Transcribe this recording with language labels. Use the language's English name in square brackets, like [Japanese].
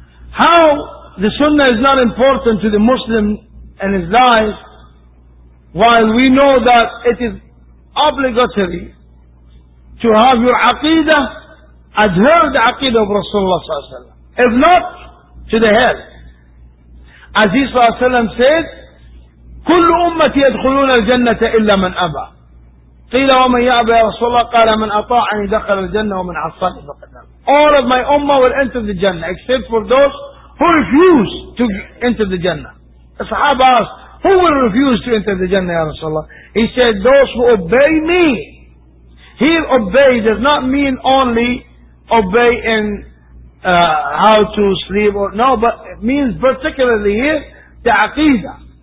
[English] How the sunnah is not important to the Muslim and his life, while we know that it is obligatory to have your aqidah, adhere the aqidah of Rasulullah Sallallahu Alaihi Wasallam. If not, to the hell. As he Sallallahu Alaihi Wasallam said, [Arabic] كل أمتي يدخلون الجنة إلا من أبى. قيل ومن يأبى يا رسول الله قال من أطاعني دخل الجنة ومن عصاني فقد أبى. [English] All of my ummah will enter the Jannah except for those who refuse to enter the Jannah. The Sahaba asked, who will refuse to enter the Jannah ya Rasulullah? He said, those who obey me. Here obey does not mean only obey in how to sleep or no, but it means particularly here the aqidah.